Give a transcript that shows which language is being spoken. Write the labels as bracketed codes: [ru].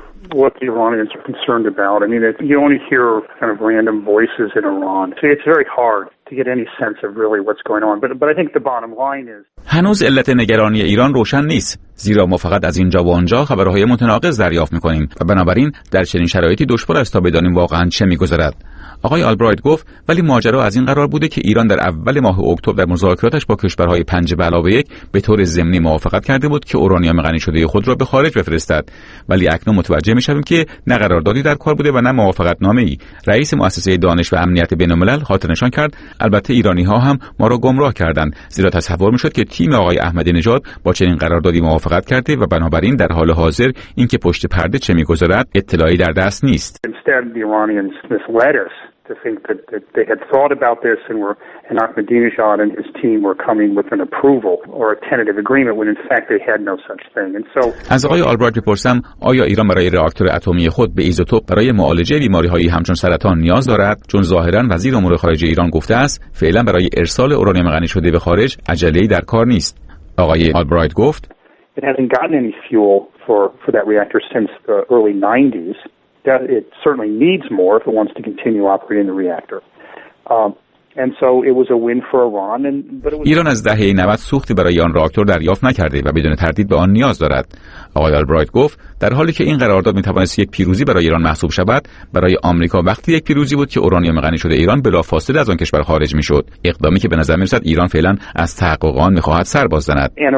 [en] what the Iranians are concerned about. I mean, it, you only hear kind of random voices in Iran. So it's very hard to get any sense of really what's going on. But I think the bottom line is [fa] هنوز علت نگرانی ایران روشن نیست. زیرا ما فقط از اینجا و آنجا خبرهای متناقض دریافت می‌کنیم و بنابراین در چنین شرایطی دشوار است تا بدانیم واقعاً چه می‌گذرد. آقای آلبرایت گفت ولی ماجرا از این قرار بوده که ایران در اول ماه اکتبر در مذاکراتش با کشورهای 5 علاوه 1 به طور ضمنی موافقت کرده بود که اورانیوم غنی شده خود را به خارج بفرستد، ولی اکنون متوجه می‌شویم که نه قراردادی در کار بوده و نه موافقتنامه‌ای. رئیس مؤسسه دانش و امنیت بین‌الملل خاطرنشان کرد البته ایرانی‌ها هم ما را گمراه کردند، زیرا تصور می‌شد که تیم آقای احمدی نژاد با چنین قراردادی موافقت کرده و بنابراین در حال حاضر اینکه پشت پرده چه می‌گذرد اطلاعی در دست نیست. [en] To think that they had thought about this and were and Ahmadinejad and his team were coming with an approval or a tentative agreement when in fact they had no such thing. And so [fa] از آقای آلبرایت بپرسم آیا ایران برای راکتور اتمی خود به ایزوتوپ برای معالجه بیماری‌های همچون سرطان نیاز دارد؟ چون ظاهراً وزیر امور خارجه ایران گفته است فعلا برای ارسال اورانیوم غنی شده به خارج عجله‌ای در کار نیست. آقای آلبرایت گفت [en] It hasn't gotten any fuel for that reactor since the early 90s. That it certainly needs more if it wants to continue operating the reactor. And so it was a win for Iran. And but it was. [fa] ایران از دهه 90 سوختی برای آن راکتور دریافت نکرده و بدون تردید به آن نیاز دارد. آقای آلبرایت گفت در حالی که این قرارداد میتوانست یک پیروزی برای ایران محسوب شود، برای آمریکا وقتی یک پیروزی بود که اورانیوم غنی شده ایران بلافاصله از آن کشور خارج میشد. اقدامی که به نظر میرسد ایران فعلا از تحقق آن میخواهد سر باز زند.